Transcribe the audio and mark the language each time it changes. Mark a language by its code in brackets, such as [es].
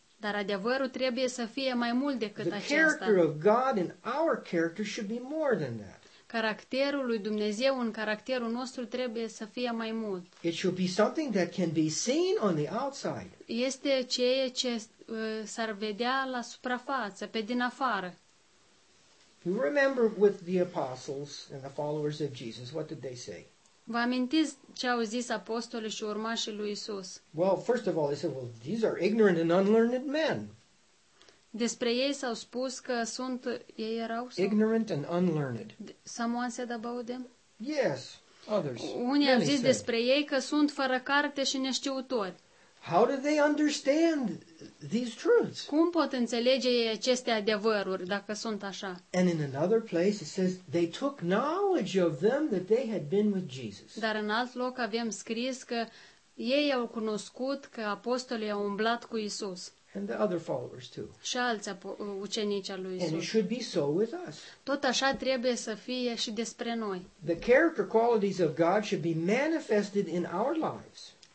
[ro] Dar adevărul trebuie să fie mai mult decât [en] the [ro] acesta. [en] The character of God in our character should be more than that. [ro] Caracterul lui Dumnezeu în caracterul nostru trebuie să fie mai mult. [en] It should be something that can be seen on the outside. [ro] Este ceea ce s-ar vedea la suprafață, pe din afară. [en] You remember with the apostles and the followers of Jesus, what did they say? [ro] Vă amintiți ce au zis apostolii și urmașii lui Isus? [en] Well, first of all, they said, well, these are ignorant and unlearned men. [ro] Despre ei s-au spus că sunt, ei erau sau? [en] Ignorant and unlearned. Someone said about them? Yes, others. [ro] Unii au zis despre ei că sunt fără carte și neștiutori. [en] How do they understand these truths? [ro] Cum pot înțelege ei aceste adevăruri dacă sunt așa? [en] And in another place it says they took knowledge of them that they had been with Jesus. [ro] Dar în alt loc avem scris că ei au cunoscut că apostolii au umblat cu Isus. [en] And the other followers too. [ro] Și alți ucenici al lui Isus. [en] And it should be so with us. [ro] Tot așa trebuie să fie și despre noi. [en] The character qualities of God should be manifested in our lives.